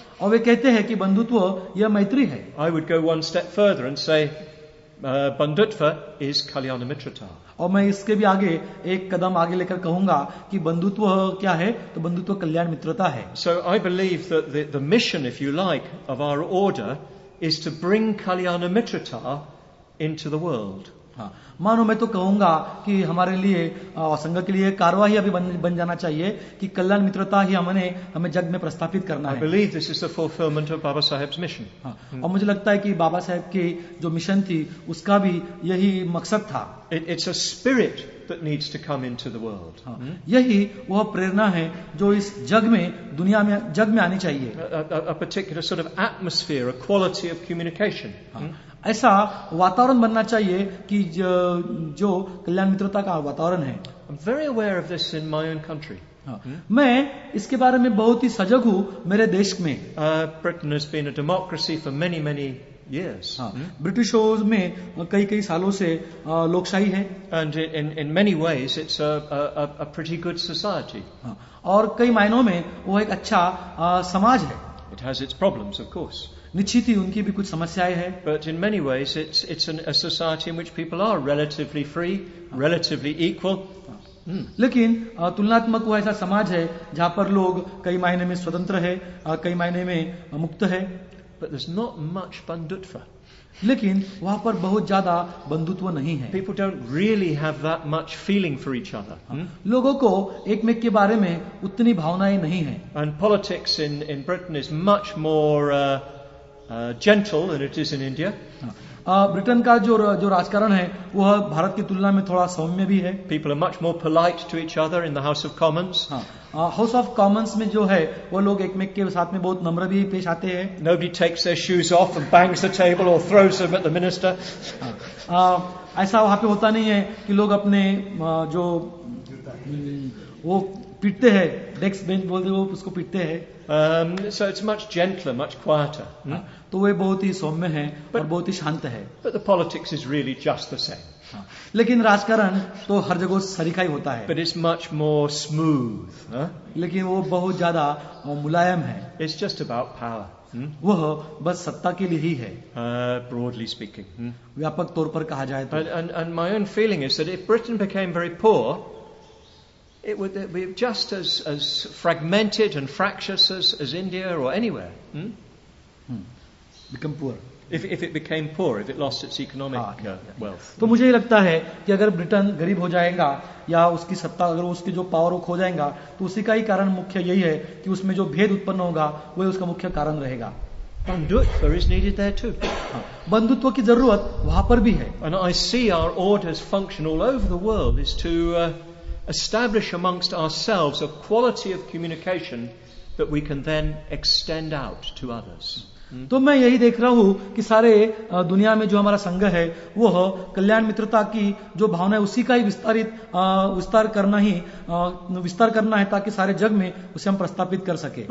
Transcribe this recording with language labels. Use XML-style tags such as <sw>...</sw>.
<hi>और वे कहते हैं कि बंधुत्व यह मैत्री है.</hi> <en>I would go one step further and say Bandhutva is Kalyanamitrata.</en> <hi>और मैं इसके भी आगे एक कदम आगे लेकर कहूंगा कि बंधुत्व क्या है. तो बंधुत्व कल्याण मित्रता है.</hi> <en>So I believe that the mission, if you like, of our order is to bring Kalyanamitrata into the world.</en> <hi>मानो मैं तो कहूंगा कि हमारे लिए संघ के लिए कार्यवाही अभी बन जाना चाहिए कि कल्याण मित्रता ही हमें जग में प्रस्थापित करना है.</hi> <en>I believe this is the fulfillment of Baba Sahib's mission.</en> <hi>और मुझे लगता है कि बाबा साहेब के जो मिशन थी उसका भी यही मकसद था.</hi> <en>It's a spirit that needs to come into the world.</en> <hi>यही वह प्रेरणा है जो इस जग में दुनिया में जग में आनी चाहिए.</hi> <en>A particular sort of atmosphere, a quality of communication.</en> <hi>ऐसा वातावरण बनना चाहिए कि जो कल्याण मित्रता का वातावरण है.</hi> <en>I'm very aware of this in my own country.</en> <hi>मैं इसके बारे में बहुत ही सजग हूँ मेरे देश में.</hi> <en>Britain has been a democracy for many, many years.</en> <hi>ब्रिटिशों में कई कई सालों से लोकशाही है.</hi> <en>And in many ways it's a pretty good society.</en> <hi>और कई मायनों में वो एक अच्छा समाज है.</hi> <en>It has its problems, of course.</en> <hi>निश्चित ही उनकी भी कुछ समस्याएं हैं.</hi> <en>But in many ways it's a society in which people are relatively free, relatively equal.</en> <hi>लेकिन तुलनात्मक वो ऐसा समाज है जहां पर लोग कई मायने में स्वतंत्र है, कई मायने में मुक्त है.</hi> <en>But there's not much bandhutva.</en> <hi>लेकिन वहां पर बहुत ज्यादा बंधुत्व नहीं है.</hi> <en>People don't really have that much feeling for each other.</en> <hi>लोगों को एक-मेक के बारे में उतनी भावनाएं नहीं है.</hi> <en>And politics in Britain is much more gentle than it is in India.</en> <hi>Britain का जो राजकारण है वह भारत की तुलना में थोड़ा सौम्य भी है.</hi> <en>People are much more polite to each other in the House of Commons.</en> <hi>House of Commons में जो है वह लोग एक-मेक के साथ में बहुत नम्र भी पेश आते हैं.</hi> <en>Nobody takes their shoes off and bangs the table or throws them at the minister.</en> <hi>ऐसा वहाँ पे होता नहीं है कि लोग अपने जो वो पीटते हैं, डेस्क बेंच बोलते हैं, उसको पीटते हैं.</hi> <en>So it's much gentler, much quieter.</en> <hi>तो वे बहुत ही सौम्य है और बहुत ही शांत है.</hi> <en>But the politics is really just the same.</en> <hi>लेकिन राजकारण तो हर जगह सरीखा ही होता है.</hi> <en>But it's much more smooth.</en> <hi>लेकिन वो बहुत ज्यादा मुलायम है.</hi> <en>It's just about power.</en> <hi>वह बस सत्ता के लिए ही है.</hi> <en>Broadly speaking.</en> <hi>व्यापक तौर पर कहा जाए तो.</hi> <en>And my own feeling is that if Britain became very poor, it would be just as fragmented and fractious as India or anywhere. Become poor. If it became poor, if it lost its economic wealth.</en> <hi>तो मुझे ये लगता है कि अगर Britain गरीब हो जाएगा या उसकी सत्ता अगर उसकी जो पावर खो जाएगा तो उसी का ही कारण मुख्य यही है कि उसमें जो भेद उत्पन्न होगा वही उसका मुख्य कारण रहेगा.</hi> <en>Bandhutva is needed there too.</en> <hi>बंधुत्व की जरूरत वहां पर भी है.</hi> <en>And I see our order's function all over the world is to establish amongst ourselves a quality of communication that we can then extend out to others.</en> <hi>तो मैं यही देख रहा हूँ कि सारे दुनिया में जो हमारा संघ है वह कल्याण मित्रता की जो भावना है उसी का ही विस्तार करना है ताकि सारे जग में उसे हम प्रस्थापित कर सके.</hi>